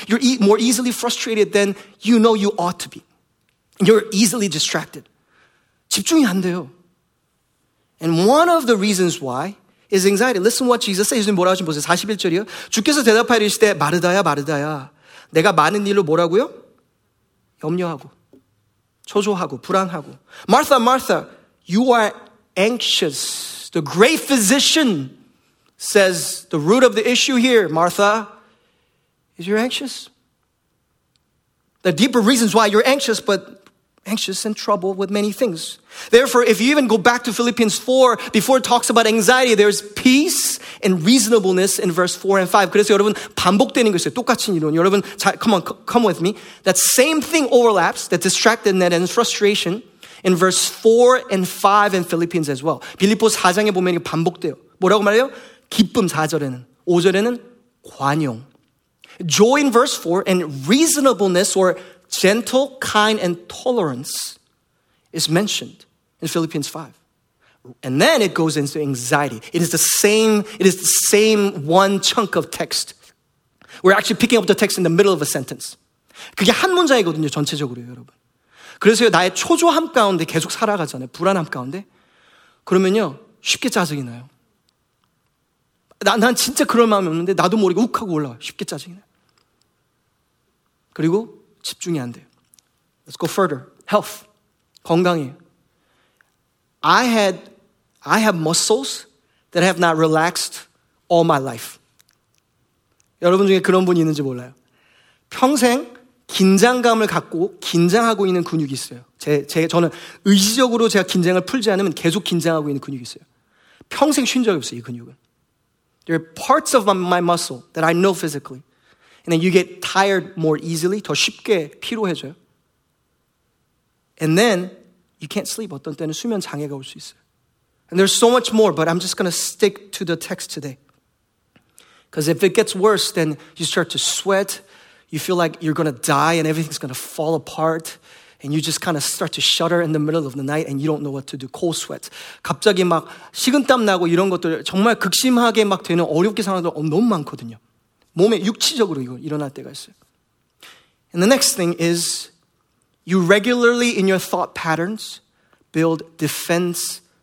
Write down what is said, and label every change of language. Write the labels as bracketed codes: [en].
[en] you're more easily frustrated than you know you ought to be. You're easily distracted. [ko] 집중이 안 돼요. [en] And one of the reasons why is anxiety. Listen what Jesus says. [ko] 예수님 뭐라고 보세요? 41절이요. 주께서 대답하여 이르시되 마르다야 마르다야. 내가 많은 일로 뭐라고요? 염려하고. 초조하고 불안하고. [en] Martha, Martha, you are anxious. The great physician says the root of the issue here, Martha, is you're anxious. The deeper reasons why you're anxious, but anxious and troubled with many things. Therefore, if you even go back to Philippians 4, before it talks about anxiety, there's peace and reasonableness in verse 4 and 5. [ko] 그래서 여러분, 반복되는 거 있어요. 똑같은 이론. 여러분, 자, [en] come on, come with me. That same thing overlaps, that distractedness and frustration in verse 4 and 5 in Philippians as well. [ko] 빌립보서 4장에 보면 이게 반복돼요. 뭐라고 말해요? 기쁨 4절에는, 5절에는 관용. [en] Joy in verse 4 and reasonableness or gentle, kind, and tolerance is mentioned in Philippians 5. And then it goes into anxiety. It is the same one chunk of text. We're actually picking up the text in the middle of a sentence. [ko] 그게 한 문장이거든요, 전체적으로요, 여러분. 그래서 나의 초조함 가운데 계속 살아가잖아요, 불안함 가운데. 그러면요, 쉽게 짜증이 나요. 난 진짜 그럴 마음이 없는데 나도 모르게 욱 하고 올라와요. 쉽게 짜증이 나요. 그리고 집중이 안 돼요. [en] Let's go further. Health. [ko] 건강이에요. [en] I have muscles that have not relaxed all my life. [ko] 여러분 중에 그런 분이 있는지 몰라요. 평생 긴장감을 갖고 긴장하고 있는 근육이 있어요. 저는 의지적으로 제가 긴장을 풀지 않으면 계속 긴장하고 있는 근육이 있어요. 평생 쉰 적이 없어요, 이 근육은. [en] There are parts of my muscle that I know physically. And then you get tired more easily, [ko] 더 쉽게 피로해져요. [en] And then you can't sleep. [ko] 어떤 때는 수면 장애가 올 수 있어요. [en] And there's so much more, but I'm just going to stick to the text today. Because if it gets worse, then you start to sweat. You feel like you're going to die and everything's going to fall apart. And you just kind of start to shudder in the middle of the night and you don't know what to do. Cold sweat. [ko] 갑자기 막 식은땀 나고 이런 것들 정말 극심하게 막 되는 어렵게 상황들 너무 많거든요. 몸에 육체적으로 이거 일어날 때가 있어요. [en] And the next thing is you regularly in your thought patterns build defense.